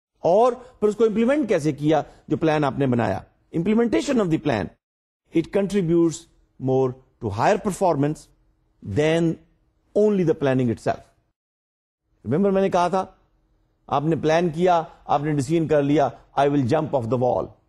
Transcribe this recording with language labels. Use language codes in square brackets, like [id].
[ur] اور پھر اس کو امپلیمنٹ کیسے کیا جو پلان آپ نے بنایا. [en] Implementation of the plan, it contributes more to higher performance than only the planning itself. [ur] Remember میں نے کہا تھا, آپ نے پلان کیا, آپ نے ڈیسیژن کر لیا, [en] I will jump off the wall.